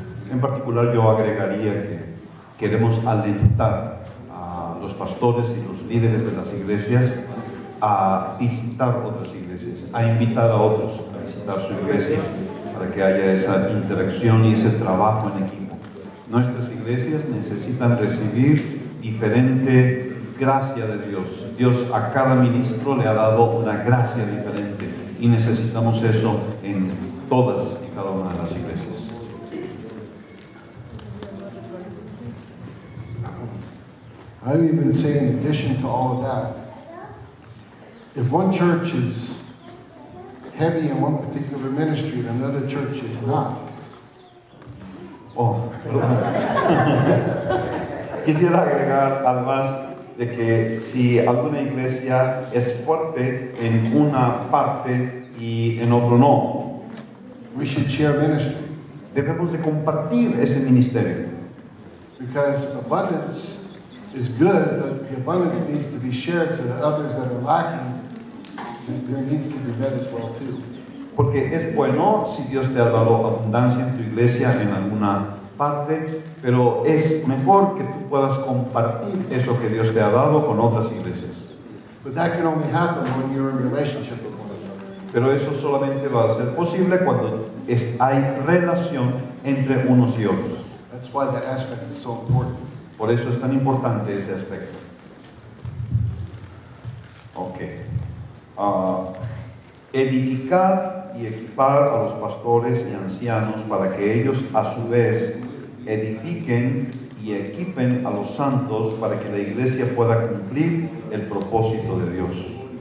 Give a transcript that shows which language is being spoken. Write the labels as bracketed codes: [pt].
[es] En particular, yo agregaría que queremos alentar a los pastores y los líderes de las iglesias a visitar otras iglesias, a invitar a otros a visitar su iglesia, para que haya esa interacción y ese trabajo en equipo. Nuestras iglesias necesitan recibir diferente gracia de Dios. Dios a cada ministro le ha dado una gracia diferente y necesitamos eso en todas y cada una de las iglesias. [en] I would even say, in addition to all of that, if one church is heavy in one particular ministry and another church is not. [es] Oh, quisiera agregar además de que si alguna iglesia es fuerte en una parte y en otro no, [en] we should share ministry. [es] Debemos de compartir ese ministerio. [en] Because abundance is good, but the abundance needs to be shared so that others that are lacking, their needs can be met as well too. [es] Porque es bueno si Dios te ha dado abundancia en tu iglesia en alguna parte, pero es mejor que tú puedas compartir eso que Dios te ha dado con otras iglesias. [en] But that can only happen when you're in relationship with one another. [es] Pero eso solamente va a ser posible cuando hay relación entre unos y otros. [en] That's why that aspect is so important. [es] Por eso es tan importante ese aspecto. [en] Ok. [es] Edificar y equipar a los pastores y ancianos para que ellos a su vez edifiquen y equipen a los santos para que la iglesia pueda cumplir el propósito de Dios.